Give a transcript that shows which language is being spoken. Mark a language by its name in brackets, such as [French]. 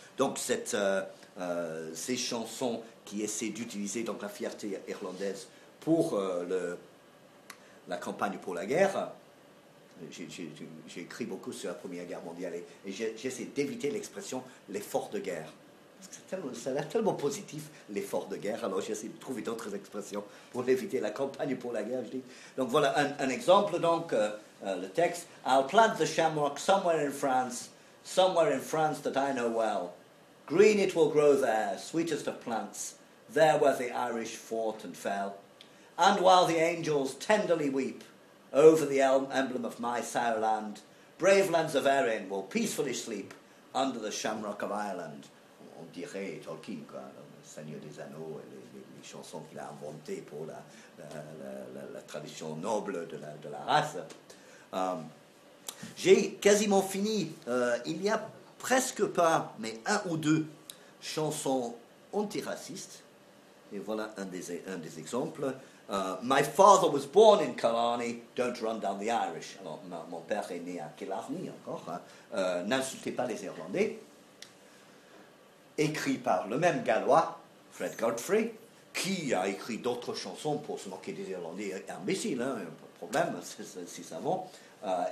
[French] Donc ces chansons qui essaient d'utiliser donc, la fierté irlandaise pour la campagne pour la guerre, j'ai écrit beaucoup sur la Première Guerre mondiale et j'essaie d'éviter l'expression l'effort de guerre. Parce que ça a l'air tellement positif, l'effort de guerre, alors j'essaie de trouver d'autres expressions pour éviter la campagne pour la guerre. Je dis. Donc voilà un exemple, donc, le texte. [English] I'll plant the shamrock somewhere in France that I know well. Green it will grow there, sweetest of plants, there where the Irish fought and fell. And while the angels tenderly weep over the emblem of my sire land, brave lands of Erin will peacefully sleep under the shamrock of Ireland. [French] On dirait Tolkien, quoi, le Seigneur des Anneaux et les chansons qu'il a inventées pour la tradition noble de la race. J'ai quasiment fini. Il n'y a presque pas, mais un ou deux chansons antiracistes. Et voilà un des exemples. [English] My father was born in Killarney, don't run down the Irish. [French] Alors, mon père est né à Killarney encore. Hein. N'insultez pas les Irlandais. Écrit par le même Gallois, Fred Godfrey, qui a écrit d'autres chansons pour se moquer des Irlandais imbéciles, hein, pas de problème, si ça va.